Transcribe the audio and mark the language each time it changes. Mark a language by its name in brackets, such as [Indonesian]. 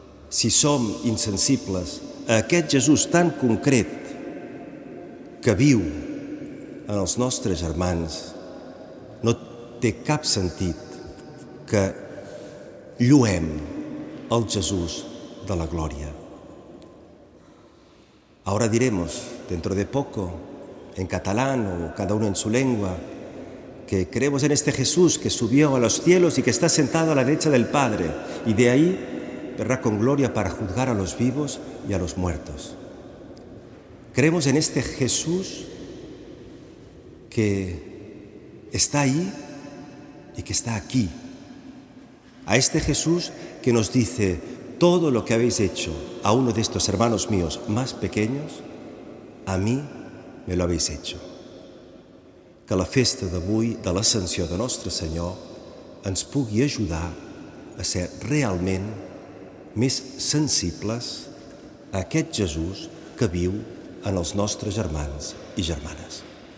[Catalan] Si som insensibles a aquest Jesús tan concret que viu en els nostres germans, no té cap sentit que lluem el Jesús de la glòria. [Spanish] Ahora diremos, dentro de poco, en catalán o cada uno en su lengua, que creemos en este Jesús que subió a los cielos y que está sentado a la derecha del Padre, y de ahí verrá con gloria para juzgar a los vivos y a los muertos. Creemos en este Jesús que está ahí y que está aquí. A este Jesús que nos dice: todo lo que habéis hecho a uno de estos hermanos míos más pequeños, a mí me lo habéis hecho. [Catalan] Que la festa d'avui de l'ascensió de Nostre Senyor ens pugui ajudar a ser realment més sensibles a aquest Jesús que viu en els nostres germans i germanes.